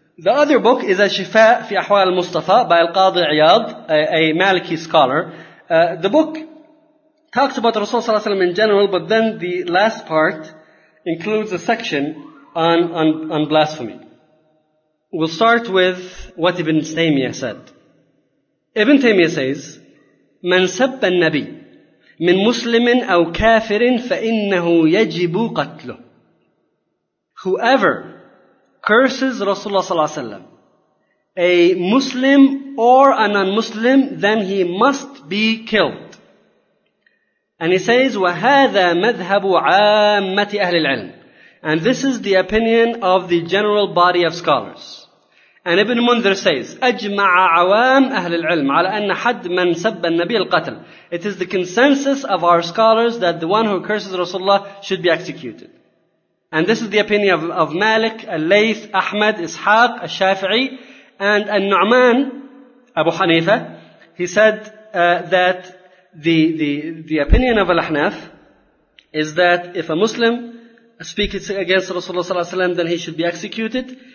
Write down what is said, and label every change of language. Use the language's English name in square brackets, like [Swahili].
[English] The other book is Al-Shifa fi Ahwal al-Mustafa by Al-Qadi Iyad, a Maliki scholar. The book talks about Rasulullah in general, but then the last part includes a section on blasphemy. We'll start with what Ibn Taymiyyah said. Ibn Taymiyyah says, [Arabic] من سب النبي من مسلم أو كافر فإنه يجب قتله. [English] Whoever curses Rasulullah sallallahu alaihi wasallam, a Muslim or a non-Muslim, then he must be killed. And he says, [Arabic] وَهَذَا مَذْهَبُ عَامَّةِ أَهْلِ الْعِلْمِ. [English] And this is the opinion of the general body of scholars. And Ibn Munzir says, [Arabic] أَجْمَعَ عَوَامْ أَهْلِ الْعِلْمِ عَلَى أَنَّ حَدْ مَنْ سَبَّ النَّبِيَ الْقَتْلِ. [English] It is the consensus of our scholars that the one who curses Rasulullah should be executed. And this is the opinion of Malik, Al-Layth, Ahmad, Ishaq, Al-Shafi'i, and Al-Nu'man, Abu Hanifa. He said that the opinion of Al-Ahnaf is that if a Muslim speaks against Rasulullah sallallahu alaihi wasallam, then he should be executed.